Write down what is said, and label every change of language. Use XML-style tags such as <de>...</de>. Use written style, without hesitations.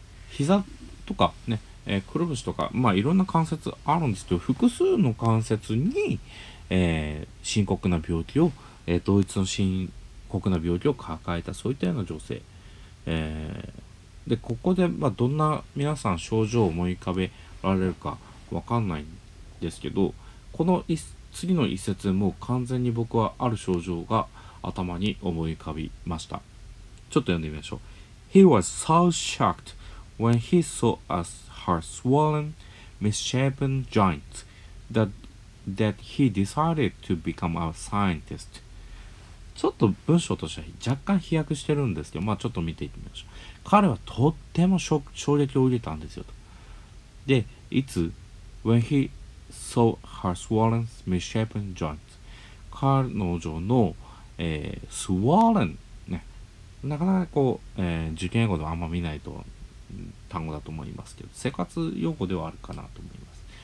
<ja>膝とかね、くるぶしとか、まあいろんな関節あるんですけど、複数の関節に、深刻な病気を、同一の深刻な病気を抱えたそういったような女性、でここで、まあ、どんな皆さん症状を思い浮かべられるかわかんないんですけど、この次の一節も完全に僕はある症状が頭に思い浮かびました。ちょっと読んでみましょう。</ja> <en>He was so shocked when he saw her swollen, misshapen joints that he decided to become a scientist。</en> <ja>ちょっと文章としては若干飛躍してるんですけど、まあちょっと見ていってみましょう。彼はとっても衝撃を受けたんですよと。で、いつ、</ja> <en>When he saw her swollen, misshapen joints。</en> <ja>彼女の、swollen、ね、なかなかこう、受験語ではあんま見ないと単語だと思いますけど、生活用語ではあるかなと思います。</ja>